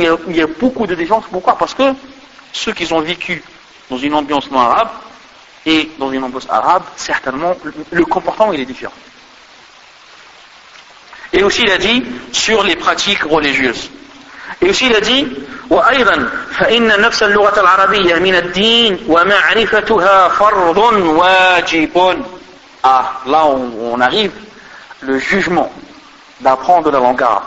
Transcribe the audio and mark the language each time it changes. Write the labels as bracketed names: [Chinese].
[French] Il y a beaucoup de différences. Pourquoi? Parce que ceux qui ont vécu dans une ambiance non arabe et dans une ambiance arabe, certainement, le comportement il est différent. Et aussi il a dit sur les pratiques religieuses. Et aussi il a dit [Arabic] وأيضا فإن نفس اللغة العربية من الدين ومعرفتها فرض واجب. [French] Ah, là on arrive le jugement d'apprendre la langue arabe.